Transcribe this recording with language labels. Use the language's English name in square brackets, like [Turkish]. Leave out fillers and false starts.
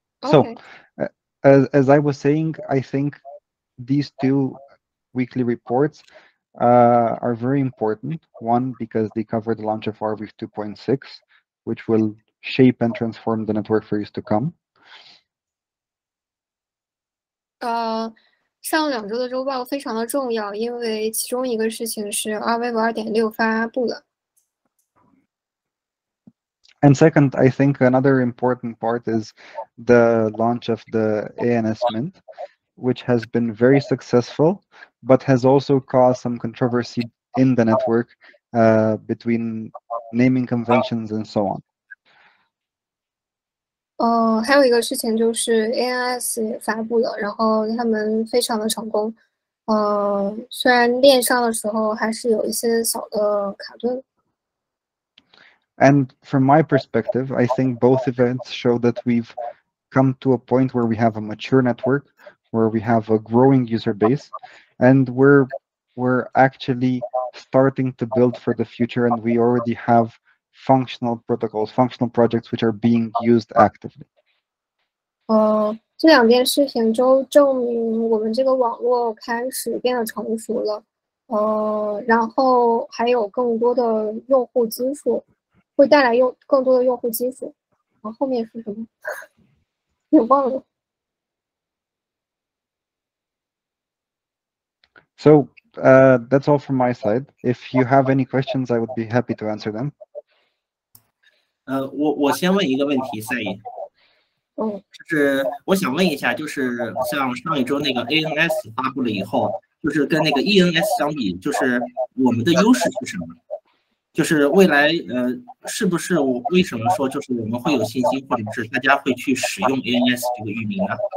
[English] So, as I was saying, I think these 2 weekly reports are very important. One, because they cover the launch of RWAVE 2.6, which will shape and transform the network for years to come. [Chinese] 上两周的周报非常的重要，因为其中一个事情是 RWAVE 2.6发布了。 [English] And second, I think another important part is the launch of the ANS Mint, which has been very successful, but has also caused some controversy in the network, between naming conventions and so on. [Chinese] 还有一个事情就是 ANS 也发布了，然后他们非常的成功。虽然链上的时候还是有一些小的卡顿。 [English] And from my perspective, I think both events show that we've come to a point where we have a mature network, where we have a growing user base, and we're actually starting to build for the future, and we already have functional protocols, functional projects which are being used actively. [Chinese] 这两件事情都证明我们这个网络开始变得成熟了，然后还有更多的用户基数，会带来更多的用户基数。然后后面是什么？也忘了。 [English] So that's all from my side. If you have any questions, I would be happy to answer them. [Chinese] 我先问一个问题，赛爷。就是我想问一下，就是像上一周那个 ANS 发布了以后，就是跟那个 ENS 相比，就是我们的优势是什么？就是未来，是不是我为什么说就是我们会有信心，或者是大家会去使用 ANS 这个域名呢？